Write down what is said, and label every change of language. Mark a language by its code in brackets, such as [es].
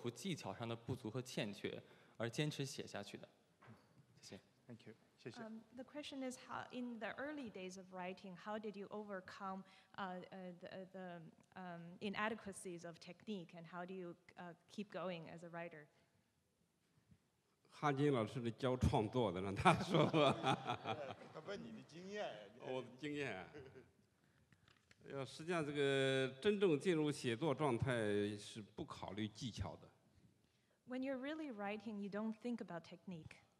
[zh] 我的问题非常简单，两位先生，就是作为一名年轻学者、年轻学子，我的问题是：你们在创作的早期是如何克服技巧上的不足和欠缺，而坚持写下去的？谢谢。 [en] Thank you. [zh] 谢谢。 [en] The question is how in the early days of writing, how did you overcome the inadequacies of technique, and how do you keep going as a writer? [zh] 哈金老师的教创作的，让他说吧。他问你的经验。我的经验，实际上这个真正进入写作状态是不考虑技巧的。 [en] When you're really writing, you don't think about technique.